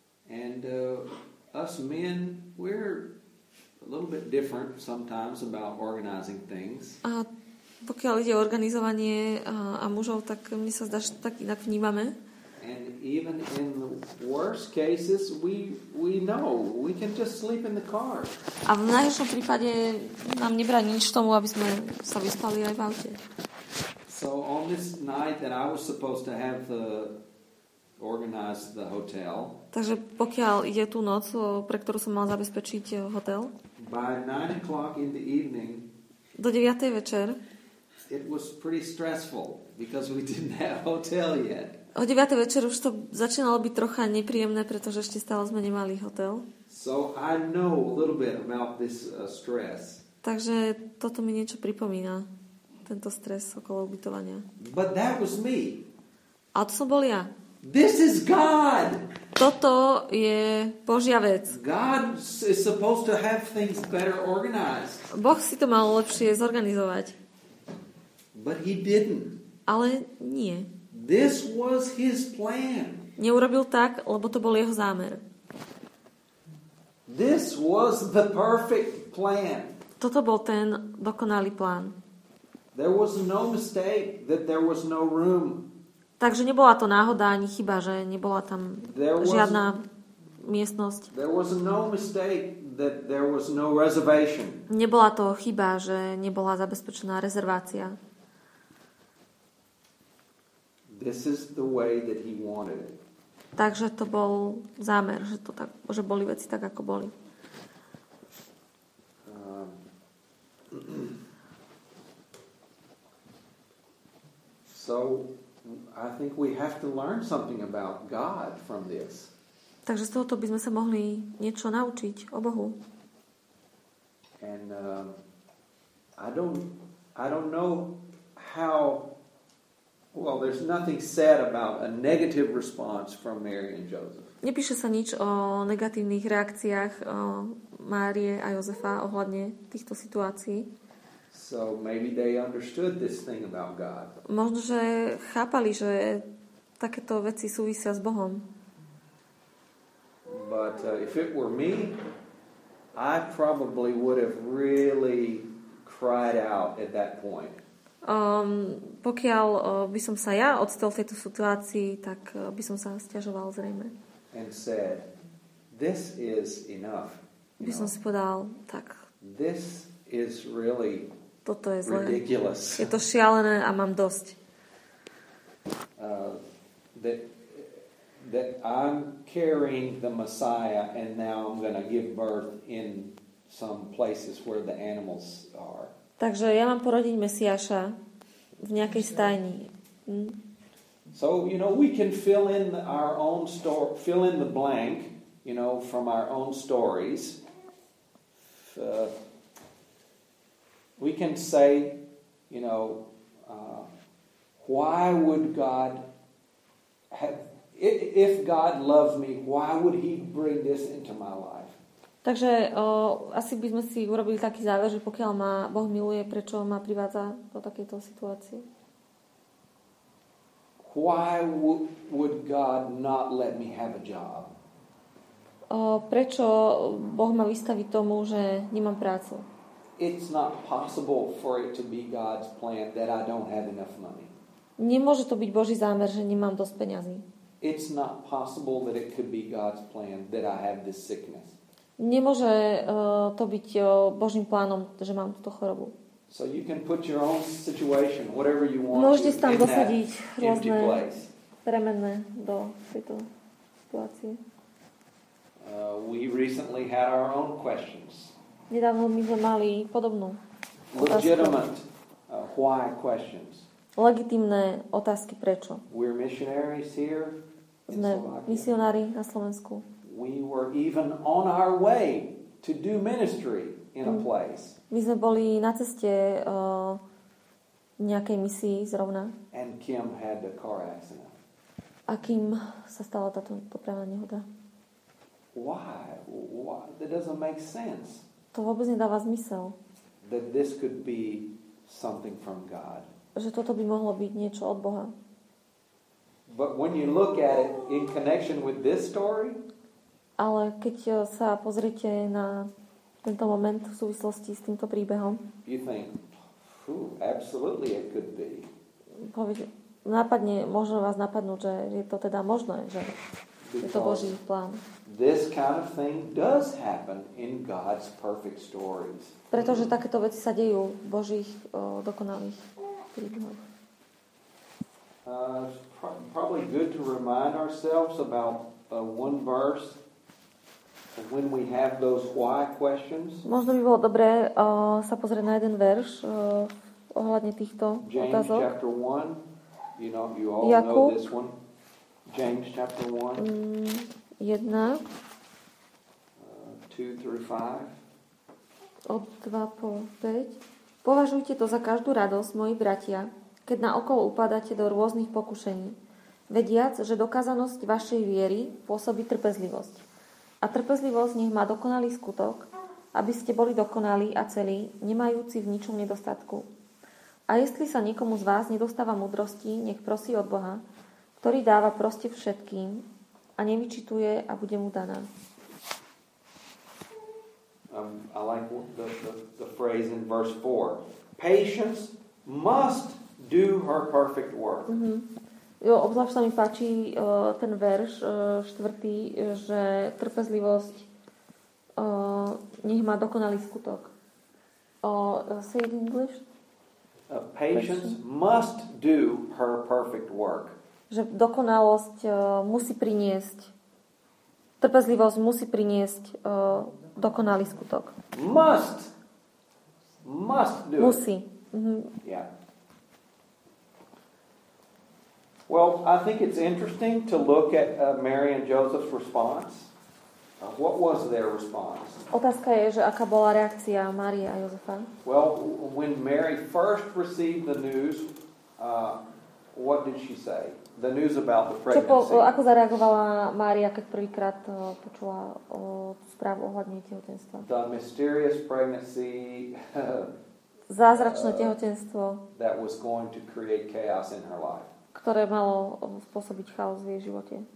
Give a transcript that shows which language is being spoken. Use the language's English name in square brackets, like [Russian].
[English] And us men, we're a little bit different sometimes about organizing things. [Slovak] A pokiaľ ide o organizovanie a mužov, tak mi sa zdá, že tak inak vnímame. [English] And even in the worst cases, we know we can just sleep in the car. [Slovak] A v najhoršom prípade nám nebráni nič tomu, aby sme sa vyspali aj v aute. [English] So on this night that I was supposed to have the organize the hotel. [Slovak] Takže pokiaľ ide tú noc, pre ktorú som mal zabezpečiť hotel. [English] By 9 o'clock in the evening. [Slovak] Do 9:00 večer. [English] It was pretty stressful because we didn't have hotel yet. [Slovak] O 9:00 večer už to začínalo byť trocha nepríjemné, pretože ešte stále sme nemali hotel. [English] So I know a little bit about this stress. [Slovak] Takže toto mi niečo pripomína. Tento stres okolo ubytovania. [English] But that was me. [Slovak] A to som bol ja. [English] This is God. [Slovak] Toto je Božia vec. [English] God is supposed to have things better organized. [Slovak] Boh si to mal lepšie zorganizovať. [English] But he didn't. [Slovak] Ale nie. [English] This was his plan. [Slovak] Neurobil tak, lebo to bol jeho zámer. [English] This was the perfect plan. [Slovak] Toto bol ten dokonalý plán. [English] There was no mistake that there was no room. [Slovak] Takže nebola to náhoda ani chyba, že nebola tam žiadna miestnosť. [English] There was no mistake that there was no reservation. [Slovak] Nebola to chyba, že nebola zabezpečená rezervácia. [English] This is the way that he wanted it. [Slovak] Takže to bol zámer, že to tak, že boli veci tak, ako boli. [English] So I think we have to learn something about God from this. [Slovak] Takže z tohoto by sme sa mohli niečo naučiť o Bohu. [English] And I don't know how. Well, there's nothing said about a negative response from Mary and Joseph. [Slovak] Nepíše sa nič o negatívnych reakciách Márie a Jozefa ohľadne týchto situácií. [English] So maybe they understood this thing about God. [Slovak] Možno, že chápali, že takéto veci súvisia s Bohom. [English] But if it were me, I probably would have really cried out at that point. [Slovak] Pokiaľ by som sa ja odstel v tejto situácii, tak by som sa sťažoval zrejme. [English] And said, this is enough. [Slovak] By som si povedal, tak. [English] This is really [Slovak] toto je zle. [English] Ridiculous. [Slovak] Je to šialené a mám dosť. [English] That I'm carrying the Messiah and now I'm going to give birth in some places where the animals are. [Slovak] Takže ja mám porodiť Mesiáša v nejakej stajni. Hm? [English] So, you know, we can fill in our own story, fill in the blank, you know, from our own stories. We can say, you know, why would God have, if God loved me, why would he bring this into my life? [Slovak] Takže asi by sme si urobili taký záver, že pokiaľ ma Boh miluje, prečo ma privádza do takejto situácie? [English] Why would God not let me have a job? [Slovak] Prečo Boh ma vystaví tomu, že nemám prácu? [English] It's not possible for it to be God's plan that I don't have enough money. [Slovak] Nemôže to byť Boží zámer, že nemám dosť peňazí. [English] It's not possible that it could be God's plan that I have this sickness. [Slovak] Nemôže to byť Božím plánom, že mám túto chorobu. [English] So you can put your own situation, whatever you want. [Slovak] Môžete tam dosadiť rôzne premenné do tejto situácie. [English] We recently had our own questions. [Slovak] Nedávno my sme mali podobnú otázku. [English] Legitimate why questions. [Slovak] Legitímne otázky prečo. [English] We're missionaries here. [Slovak] Sme misionári na Slovensku. [English] We were even on our way to do ministry in a place. [Slovak] My sme boli na ceste nejakej misii zrovna. [English] And Kim had a car accident. [Slovak] A Kim sa stala táto dopravná nehoda. [English] Why? Why? That doesn't make sense. [Slovak] To vôbec nedáva zmysel. [English] That this could be something from God. [Slovak] Že toto by mohlo byť niečo od Boha. [English] But when you look at it in connection with this story, [Slovak] ale keď sa pozriete na tento moment v súvislosti s týmto príbehom, [English] you think, absolutely it could be. [Slovak] Napadne, možno vás napadnúť, že je to teda možné, že [English] because [Slovak] je to Boží plán. [English] This kind of thing does happen in God's perfect stories. [Slovak] Pretože takéto veci sa dejú v Božích dokonalých príbehoch. [English] It's probably good to remind ourselves about one verse when we have those why questions. [Slovak] Možno by bolo dobré sa pozrieť na jeden verš ohľadne týchto [English] James [Slovak] otázok. [English] James chapter 1. You know, you all Jakub. Know this one. James chapter 1. 1. 2 through 5. [Slovak] Od 2 po 5. Považujte to za každú radosť, moji bratia, keď naokolo upadáte do rôznych pokušení, vediac, že dokázanosť vašej viery pôsobí trpezlivosť. A trpezlivosť nech má dokonalý skutok, aby ste boli dokonalí a celí, nemajúci v ničom nedostatku. A jestli sa niekomu z vás nedostáva múdrosti, nech prosí od Boha, ktorý dáva proste všetkým a nevyčituje a bude mu daná. [English] I like the phrase in verse 4. Patience must do her perfect work. [Slovak] Jo, obzvlášť sa mi páči ten verš štvrtý, že trpezlivosť nech má dokonalý skutok. [English] Say it in English. Patience must do her perfect work. [Slovak] Že dokonalosť musí priniesť, trpezlivosť musí priniesť dokonalý skutok. [English] Must do it. [Slovak] Musí. [English] Yeah. Well, I think it's interesting to look at Mary and Joseph's response. What was their response? [Slovak] Otázka je, že aká bola reakcia Márie a Jozefa? [English] Well, when Mary first received the news, what did she say? The news about the pregnancy. [Slovak] Ako zareagovala Mária, keď prvýkrát počula o správu ohľadne tehotenstva? [English] The mysterious pregnancy. [Slovak] Zázračné tehotenstvo. [English] That was going to create chaos in her life. [Slovak] Ktoré malo spôsobiť chaos v jej živote.